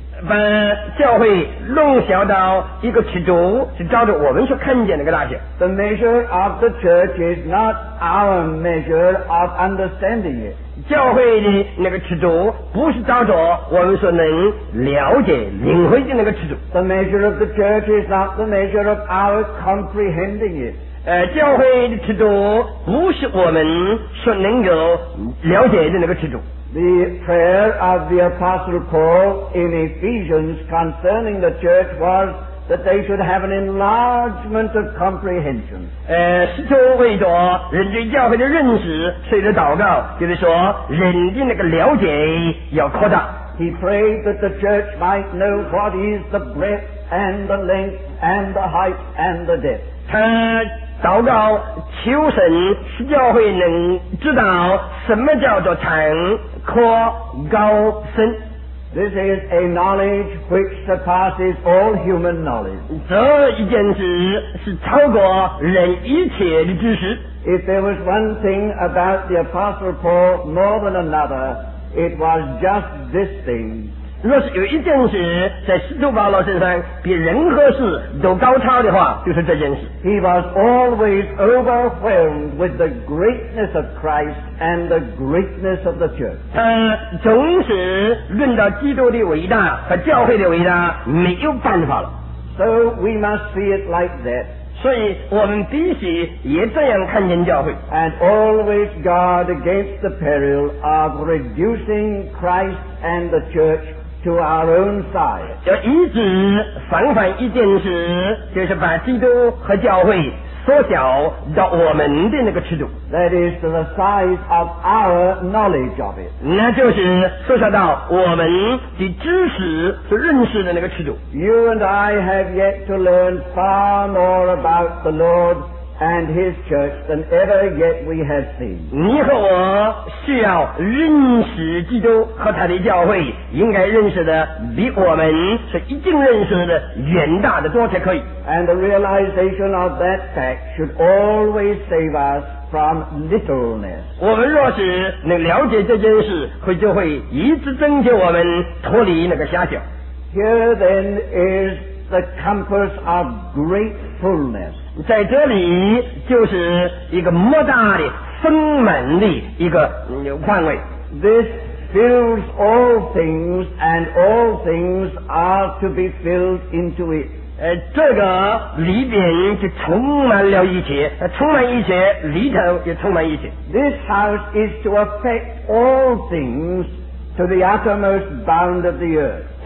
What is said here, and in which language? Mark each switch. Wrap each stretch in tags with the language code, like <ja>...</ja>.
<zh>把教会弄小到一个尺度是照着我们所看见的一个大小</zh> <en>The measure of the church is not our measure of understanding it</en> <zh>教会的那个尺度不是照着我们所能了解领会的那个尺度</zh> <en>The measure of the church is not the measure of our comprehending it</en> <zh>教会的尺度不是我们所能够了解的那个尺度</zh> <en>The prayer of the Apostle Paul in Ephesians concerning the church was that they should have an enlargement of comprehension.</en> <zh>使徒为着人对教会的认识，所以的祷告，就是说人的那个了解要扩大。</zh> <en>He prayed that the church might know what is the breadth and the length and the height and the depth.</en> <zh>他祷告求神使教会能知道什么叫做长阔高深</zh> <en>This is a knowledge which surpasses all human knowledge</en> <zh>这一件事是超过人一切的知识</zh> <en>If there was one thing about the Apostle Paul more than another it was just this thing</en> <zh>若是有一件事在使徒保罗身上比任何事都高超的话就是这件事</zh> <en>He was always overwhelmed with the greatness of ChristAnd the greatness of the church.</en> <zh>他总是论到基督的伟大和教会的伟大，没有办法了。</zh> <en>So we must see it like that.</en> <zh>所以我们必须也这样看见教会。</zh> <en>And always guard against the peril of reducing Christ and the church to our own side.</en> <zh>就一直反反一件事，就是把基督和教会缩小到我们的那个尺度。</zh> <en>That is to the size of our knowledge of it.</en> <zh>那就是缩小到我们的知识和认识的那个尺度。</zh> <en>You and I have yet to learn far more about the Lord and His church than ever yet we have seen.</en> <zh>你和我需要认识基督和他的教会，应该认识的比我们是已经认识的远大的多才可以。</zh> <en>And the realization of that fact should always save us from littleness.</en> <zh>我们若是能了解这件事，就会一直增加我们脱离那个狭小。</zh> <en>Here then is the compass of great fullness.</en> <zh>在这里就是一个莫大的丰满的一个范围。</zh> <en>This fills all things, and all things are to be filled into it.</en> <zh>这个里边就充满了一切，充满一切，里头也充满一切。</zh> <en>This house is to affect all things to the uttermost bound of the earth.</en>